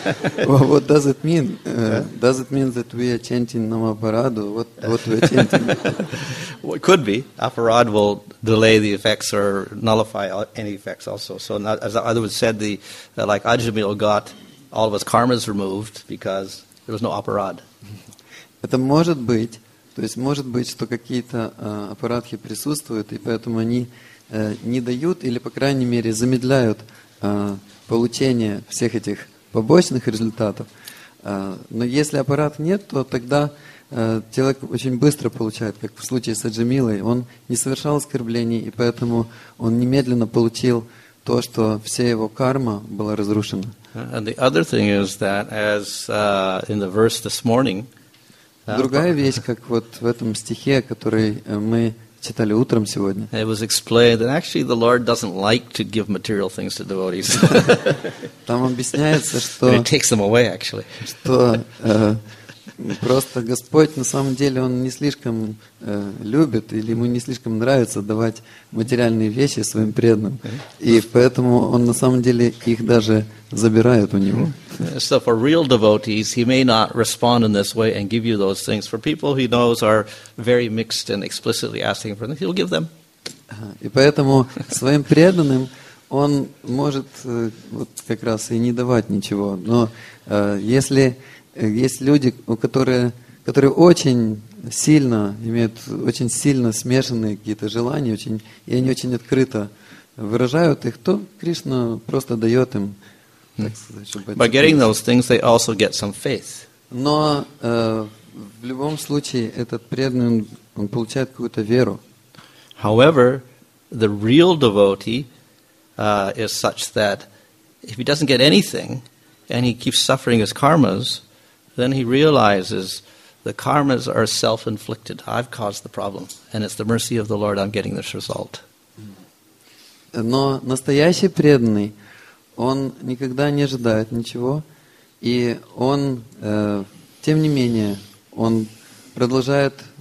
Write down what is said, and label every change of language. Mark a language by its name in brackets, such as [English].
[English] Well, what does it mean? Does it mean that we are chanting Namaparadu? What we are chanting? Well, it could be. Aparad will delay the effects or nullify any effects also. So not, as other words said, the like Ajamil got all of his karmas removed because there was no aparad. [Russian] Это может быть. То есть может быть, что какие-то аппаратхи присутствуют, и поэтому они не дают или, по крайней мере, замедляют получение всех этих побочных результатов. Но если аппарат нет, то тогда человек очень быстро получает, как в случае с Аджамилой. Он не совершал оскорблений, и поэтому он немедленно получил то, что вся его карма была разрушена. [English] And the other thing is that as in the verse this morning, [Russian] другая вещь, как вот в этом стихе, который мы читали утром сегодня. [English] It was explained that actually the Lord doesn't like to give material things to devotees. [Russian] Там объясняется, что [English] it takes them away, actually. [Russian] Что просто Господь на самом деле он не слишком любит или ему не слишком нравится давать материальные вещи своим преданным, и поэтому он на самом деле их даже забирает у него. [English] So for real devotees, he may not respond in this way and give you those things. For people he knows are very mixed and explicitly asking for them, he'll give them. [Russian] И поэтому своим преданным он может вот как раз и не давать ничего. Но если есть люди, которые очень сильно имеют очень сильно смешанные какие-то желания, очень, и они очень открыто выражают их, то Кришна просто дает им. [English] By getting those things, they also get some faith. [Russian] Но в любом случае этот преданный он получает какую-то веру. [English] However, the real devotee is such that if he doesn't get anything and he keeps suffering his karmas, then he realizes the karmas are self-inflicted. I've caused the problem, and it's the mercy of the Lord I'm getting this result. [Russian] Но настоящий преданный он никогда не ожидает ничего, и он, тем не менее, он продолжает